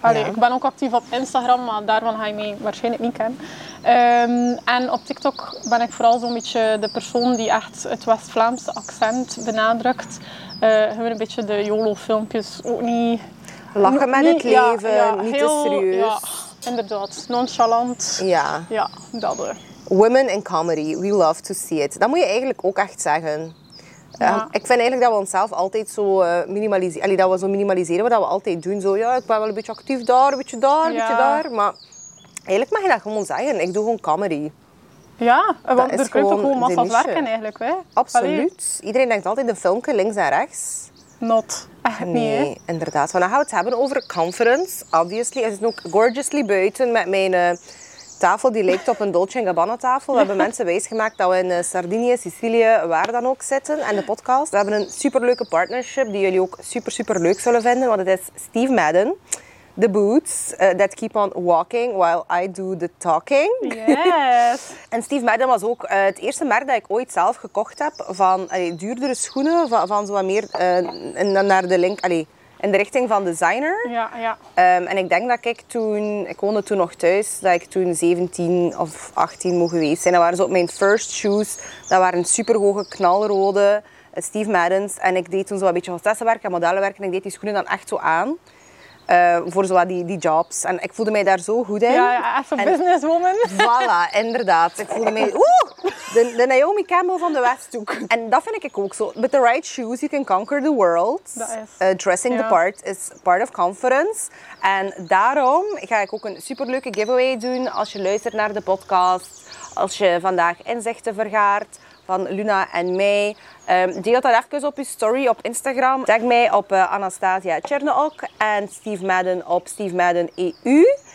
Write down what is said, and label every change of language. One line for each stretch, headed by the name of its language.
Dutch: Ik ben ook actief op Instagram, maar daarvan ga je mij waarschijnlijk niet kennen. En op TikTok ben ik vooral zo'n beetje de persoon die echt het West-Vlaamse accent benadrukt. Gewoon een beetje de YOLO-filmpjes ook niet... Lachen met niet, het leven, ja, niet heel, te serieus. Ja, inderdaad. Nonchalant. Ja. Ja, dat
English: Women in comedy, we love to see it.
Dutch: Dat moet je eigenlijk ook echt zeggen. Ja. Ik vind eigenlijk dat we onszelf altijd zo minimaliseren. Allee, dat we zo minimaliseren wat we altijd doen. Zo, ja, ik ben wel een beetje actief daar, een beetje daar, een beetje daar. Maar eigenlijk mag je dat gewoon zeggen. Ik doe gewoon comedy. Ja, want er kunt ook gewoon massa's werken eigenlijk. Hè? Absoluut. Allee. Iedereen denkt altijd een filmpje links en rechts. Not. Echt nee, niet, inderdaad. Want dan gaan we het hebben over confidence, obviously. Het is ook gorgeously buiten met mijn... tafel die lijkt op een Dolce & Gabbana tafel. We hebben mensen wijsgemaakt dat we in Sardinië, Sicilië, waar dan ook zitten. En de podcast. We hebben een superleuke partnership die jullie ook super, super leuk zullen vinden. Want het is Steve Madden.
English: The boots that keep on walking while I do the talking. Yes.
Dutch: En Steve Madden was ook het eerste merk dat ik ooit zelf gekocht heb. Van duurdere schoenen. Van zo wat meer naar de link... In de richting van designer. Ja, ja. En ik denk dat ik toen... Ik woonde toen nog thuis. Dat ik toen 17 of 18 mocht geweest zijn. Dat waren zo mijn
English: first shoes.
Dutch: Dat waren superhoge knalrode Steve Maddens. En ik deed toen zo een beetje hostessenwerk en modellenwerk. En ik deed die schoenen dan echt zo aan. Voor zo die jobs. En ik voelde mij daar zo goed in. Ja, echt een businesswoman. Voilà, inderdaad. Ik voelde mij... Oeh! De Naomi Campbell van de Westhoek. En dat vind ik ook zo.
English: With the right shoes, you can conquer the world.
Dutch: Dat is.
English: Dressing the part is part of confidence.
Dutch: En daarom ga ik ook een superleuke giveaway doen als je luistert naar de podcast. Als je vandaag inzichten vergaart van Luna en mij. Deel dat even op je story op Instagram. Tag mij op Anastasia Chernook en Steve Madden op Steve Madden EU.